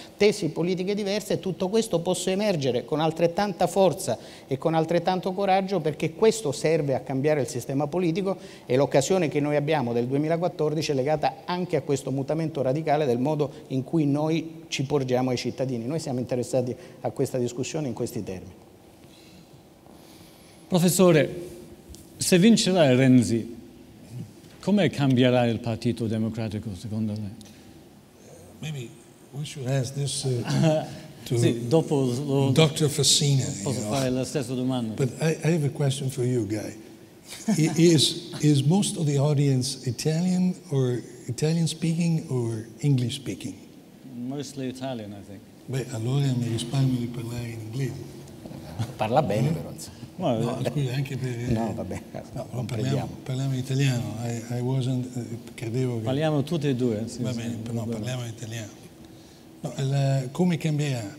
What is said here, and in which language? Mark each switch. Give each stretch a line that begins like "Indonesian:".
Italian: tesi politiche diverse, tutto questo possa emergere con altrettanta forza e con altrettanto coraggio, perché questo serve a cambiare il sistema politico, e l'occasione che noi abbiamo del 2014 è legata anche a questo mutamento radicale del modo in cui noi ci porgiamo ai cittadini. Noi siamo interessati a questa discussione in questi termini. Professore, se vincerà Renzi, come cambierà il Partito Democratico secondo lei?
English: Maybe we should ask this to Dr. Fassina.
Italian: Posso fare la stessa domanda?
English: But I have a question for you, Guy. is most of the audience Italian or Italian speaking or English speaking? Mostly Italian, I think.
Italian: Beh, allora mi risparmio di parlare in inglese. Parla bene, però. No, scusa, anche per... No, vabbè. No, parliamo in italiano. Credevo che... Parliamo tutti e due. Sì, va bene, sì, no, parliamo in italiano. No, come cambierà?